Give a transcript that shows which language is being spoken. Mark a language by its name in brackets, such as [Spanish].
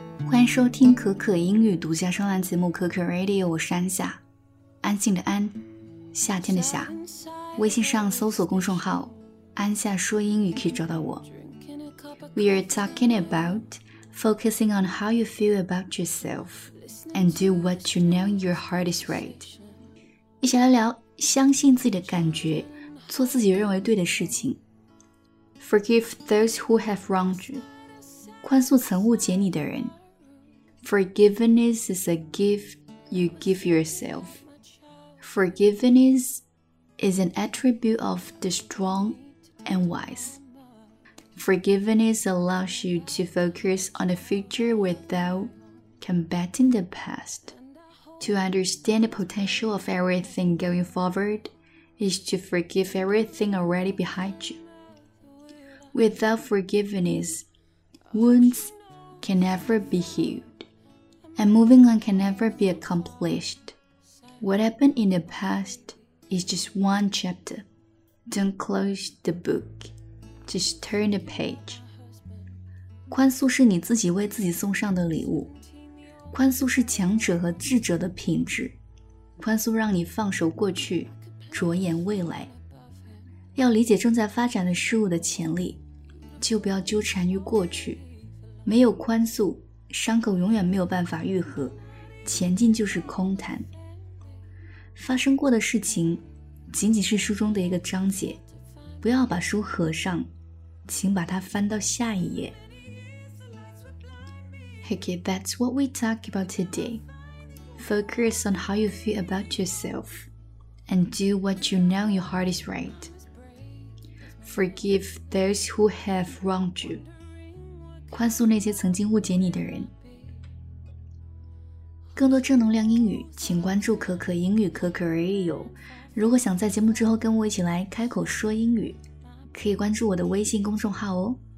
[Chinese] 欢迎收听可可英语独家专栏节目可可 Radio， 我是安夏，安静的安，夏天的夏。微信上搜索公众号安夏说英语可以找到我。 [English] We are talking about focusing on how you feel about yourself and do what you know your heart is right， [Chinese] 一起来聊相信自己的感觉，做自己认为对的事情。 [English] Forgive those who have wronged you， [Chinese] 宽恕曾误解你的人。 [English] Forgiveness is a gift you give yourself. Forgiveness is an attribute of the strong and wise. Forgiveness allows you to focus on the future without combating the past. To understand the potential of everything going forward is to forgive everything already behind you. Without forgiveness, wounds can never be healed. And moving on can never be accomplished. What happened in the past is just one chapter. Don't close the book. Just turn the page. [Chinese] 宽恕是你自己为自己送上的礼物。宽恕是强者和智者的品质。宽恕让你放手过去，着眼未来。要理解正在发展的事物的潜力，就不要纠缠于过去。没有宽恕，伤口永远没有办法愈合，前进就是空谈。发生过的事情仅仅是书中的一个章节，不要把书合上，请把它翻到下一页。 [English] Okay, that's what we talk about today. Focus on how you feel about yourself and do what you know your heart is right. Forgive those who have wronged you. [Chinese] 宽恕那些曾经误解你的人。更多正能量英语，请关注可可英语可可 Radio。如果想在节目之后跟我一起来开口说英语，可以关注我的微信公众号哦。